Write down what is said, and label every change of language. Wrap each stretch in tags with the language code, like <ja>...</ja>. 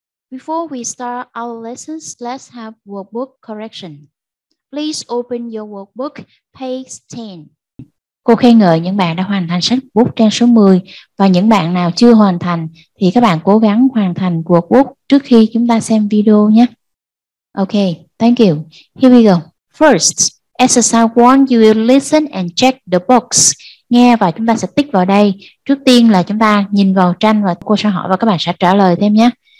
<en>Before we start our lessons, let's have workbook correction. Please open your workbook, page 10.</en> <vi>Cô khen ngợi những bạn đã hoàn thành sách bút trang số 10 và những bạn nào chưa hoàn thành thì các bạn cố gắng hoàn thành workbook trước khi chúng ta xem video nhé.</vi> <en>Okay, thank you. Here we go. First, exercise 1, you will listen and check the box.</en> <vi>Nghe và chúng ta sẽ tích vào đây. Trước tiên là chúng ta nhìn vào tranh và cô sẽ hỏi và các bạn sẽ trả lời thêm nhé.</vi>